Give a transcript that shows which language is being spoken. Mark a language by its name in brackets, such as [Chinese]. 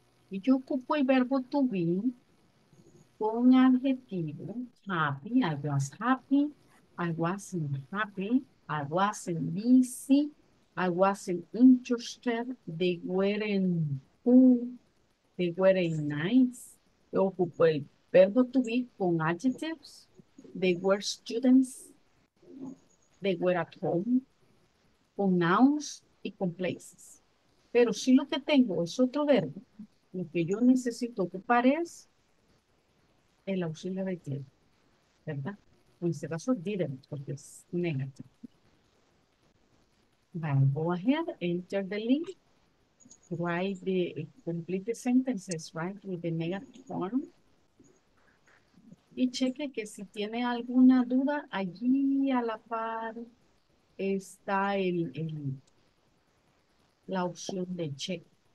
[Spanish] Y yo ocupo el verbo [English] to be [Spanish] con adjetivo [English] happy, I was happy, I wasn't happy, I wasn't busy, I wasn't interested, they weren't cool, they weren't nice. [Spanish] Yo ocupo el verbo [English] to be con adjectives, they were students, they were at home, con nouns y con places. [Spanish] Pero si lo que tengo es otro verbo, lo que yo necesito ocupar es el auxiliar de tiempo, ¿verdad? En este caso, didn't, porque es negativo. [English] Well, go ahead, enter the link, write the complete sentences, right, with the negative form. [Spanish] Y cheque que si tiene alguna duda, allí a la par está la opción de check.